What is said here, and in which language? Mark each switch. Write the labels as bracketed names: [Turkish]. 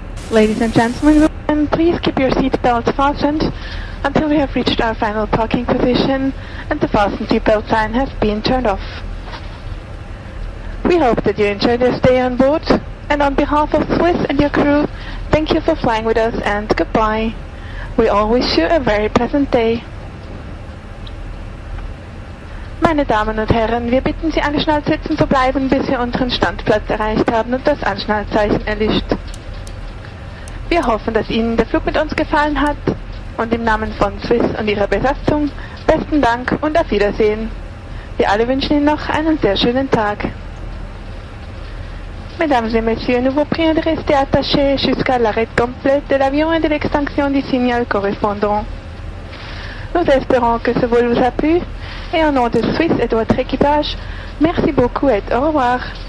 [English] Ladies and gentlemen, please keep your seat belt fastened until we have reached our final parking position and the fasten seatbelt sign has been turned off. We hope that you enjoyed your stay on board, and on behalf of Swiss and your crew, thank you for flying with us and goodbye. We all wish you a very pleasant day. [German] Meine Damen und Herren, wir bitten Sie, angeschnallt sitzen zu bleiben, bis wir unseren Standplatz erreicht haben und das Anschnallzeichen erlischt. Wir hoffen, dass Ihnen der Flug mit uns gefallen hat und im Namen von Swiss und Ihrer Besatzung besten Dank und auf Wiedersehen. Wir alle wünschen Ihnen noch einen sehr schönen Tag. [French] Mesdames et Messieurs, nous vous prions de rester attachés jusqu'à l'arrêt complet de l'avion et de l'extinction du signal correspondant. Nous espérons que ce vol vous a plu et au nom de Swiss et de votre équipage, merci beaucoup et au revoir.